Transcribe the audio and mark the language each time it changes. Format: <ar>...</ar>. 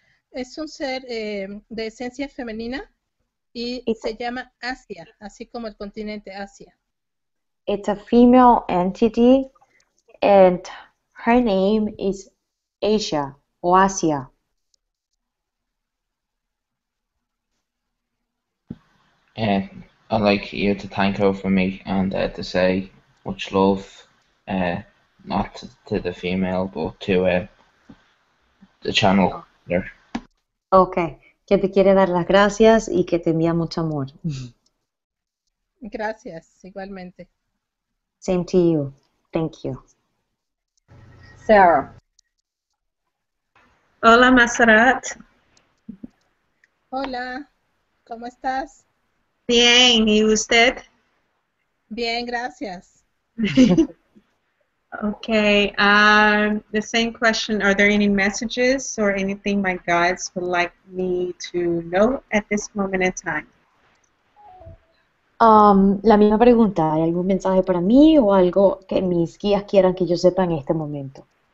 <es>Es un ser de esencia femenina y se llama Asia, así como el continente Asia.</es> <en>It's a female entity and her name is Asia o Asia. I'd like you to thank her for me and to say much love, not to the female, but to the channel there.</en> <es>Okay, que te quiere dar las gracias y que te envía mucho amor. Gracias, igualmente.</es> <en>Same to you. Thank you. Sarah.</en> <es>Hola, Maserat. Hola, ¿cómo estás? Bien, ¿y usted? Bien, gracias.</es> <en>Okay, the same question, are there any messages or anything my guides would like me to know at this moment in time?</en> <es>La misma pregunta, ¿hay algún mensaje para mí o algo que mis guías quieran que yo sepa en este momento?</es>